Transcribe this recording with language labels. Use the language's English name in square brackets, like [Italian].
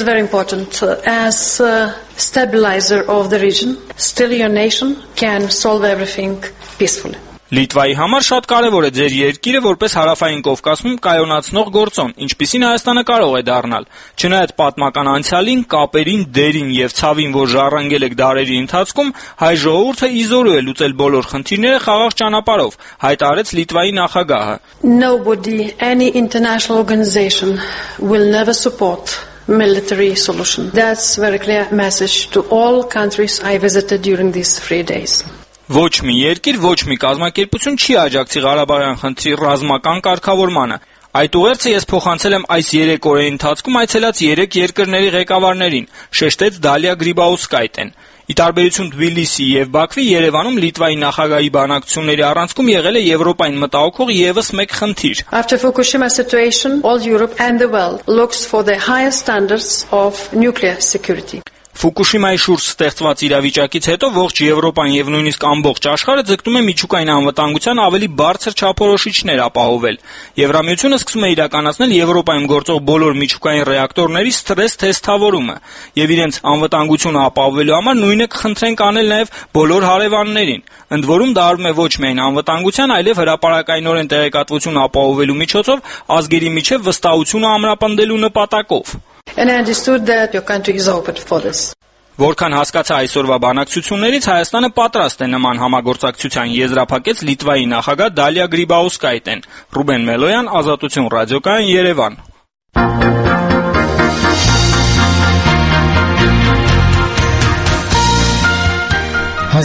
[Armenian] բոլոր խնդիրները խաղաղ ճանապարհով։ Լիտվայի համար շատ կարևոր է ձեր երկիրը որպես հարավային Կովկասում կայունացնող գործոն, ինչպիսին Հայաստանը կարող է դառնալ։ Չնայած պատմական անցյալին, կապերին, դերին և ցավին, որ ժառանգել եք դարերի ընթացքում, հայ ժողովուրդը իզորու է լուծել բոլոր խնդիրները խաղաղ ճանապարհով, հայտարարեց Լիտվայի նախագահը։ [English] Nobody, any international organization will never support military solution. That's very clear message to all countries I visited during these 3 days. [Armenian] Ոչ մի երկիր, ոչ մի կազմակերպություն չի աջակցի Ղարաբաղյան խնդրի ռազմական կարգավորմանը։ Այդ ուղերձը ես փոխանցել եմ այս 3 օրերի ընթացքում այցելած 3 երկրների ղեկավարներին, շեշտեց Դալիա Գրիբաուսկայտեն։ Ի տարբերություն Թբիլիսի և Բաքվի, Երևանում Լիտվայի նախագահի բանակցությունների առանցքում եղել է Եվրոպային մտահոգող ևս մեկ խնդիր։ [English] After Fukushima situation, all Europe and the world looks for the highest standards of nuclear security. [Armenian] Ֆուկուշիմայի շուրջ ստեղծված իրավիճակից հետո ողջ Եվրոպան և նույնիսկ ամբողջ աշխարհը ձգտում է միջուկային անվտանգության ավելի բարձր չափորոշիչներ ապահովել։ Եվրամիությունը սկսում է իրականացնել Եվրոպայում գործող բոլոր միջուկային ռեակտորների ստրես թեստավորումը, և իրենց անվտանգությունը ապահովելու համար նույնը կխնդրենք անել նաև բոլոր հարևաններին։ Ընդ որում դարում է ոչ միայն անվտանգության, այլև հրապարակայնորեն տեղեկատվություն ապահովելու միջոցով ազգերի միջև վստահությունը ամրապնդելու նպատակով։ [English] And I understood that your country is open for this. [Armenian] Որքան հասկացա այսօրվա բանակցություններից, Հայաստանը պատրաստ է նման համագործակցության եզրափակեց Լիտվայի նախագահ Դալիա Գրիբաուսկայտեն։ Ռուբեն Մելոյան, Ազատություն ռադիոկայան, Երևան։ Հայաստան